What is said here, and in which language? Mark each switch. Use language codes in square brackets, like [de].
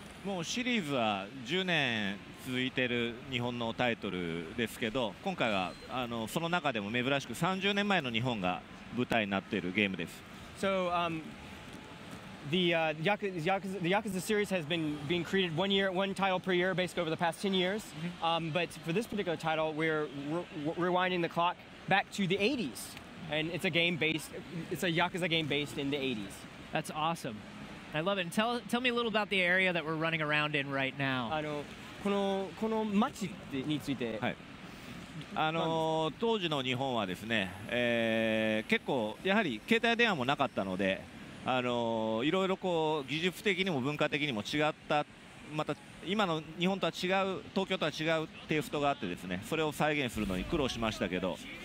[ja] もうシリーズは10年続いている日本のタイトルですけど今回はあのその中でも珍しく30年前の日本が舞台になっているゲームです [en] So, the Yakuza series has been created one title per year basically over the past 10 years、mm-hmm. But for this particular title we're rewinding the clock back to the 80s and it's a Yakuza game based in the 80s That's awesome I love it. And tell me a little about the area that we're running around in right now. [ja] この街について。はい。当時の日本はですね、結構やはり携帯電話もなかったので、いろいろこう技術的にも文化的にも違った、また今の日本とは違う、東京とは違うテイストがあってですね、それを再現するのに苦労しましたけど、